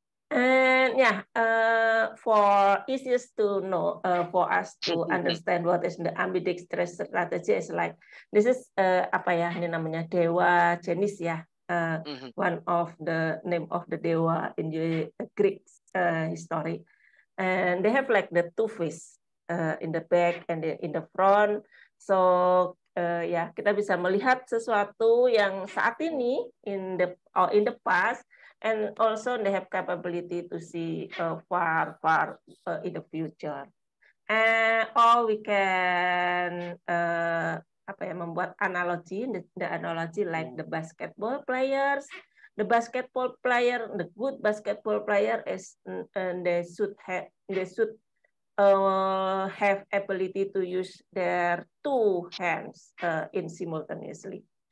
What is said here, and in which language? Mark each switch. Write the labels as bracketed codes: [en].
[en] And yeah, for easiest to know, for us to understand what is the ambidextrous strategy is like, this is [id] apa ya, ini namanya dewa jenis ya, [en] one of the name of the dewa in the Greek history. And they have like the two face in the back and in the front. [id] So yeah, kita bisa melihat sesuatu yang saat ini [en] in the past. And also they have capability to see far in the future. Or we can [id] membuat [en] analogy, the analogy like the basketball players. The basketball player, the good basketball player is they should have ability to use their two hands in simultaneously.